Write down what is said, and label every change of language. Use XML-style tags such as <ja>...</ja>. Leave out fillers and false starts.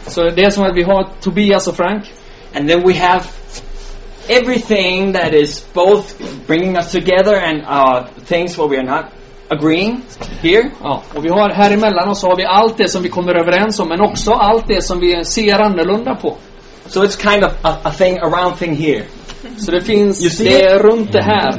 <sv>Så det är som att vi har Tobias och Frank.</sv> <en>And then we have everything that is both bringing us together and things where we are not agreeing here.</en> <sv>Ja, och vi har här emellan oss har vi allt det som vi kommer överens om, men också allt det som vi ser annorlunda på.</sv> <en>So it's kind of a thing around thing here.</en> <sv>Så det finns det runt det här.</sv>